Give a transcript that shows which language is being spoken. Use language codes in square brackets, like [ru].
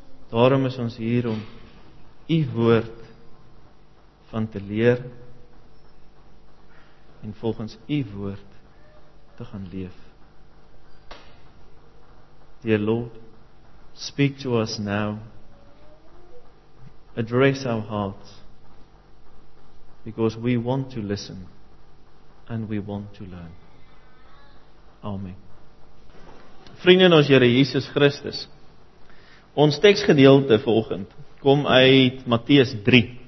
[af] Daarom is ons hier om u woord van te leer en volgens u woord te gaan leef. [en] Dear Lord, speak to us now. Address our hearts, because we want to listen and we want to learn. Amen. [af] Vrienden, ons Here Jesus Christus, ons teksgedeelte volgend kom uit Matteus 3.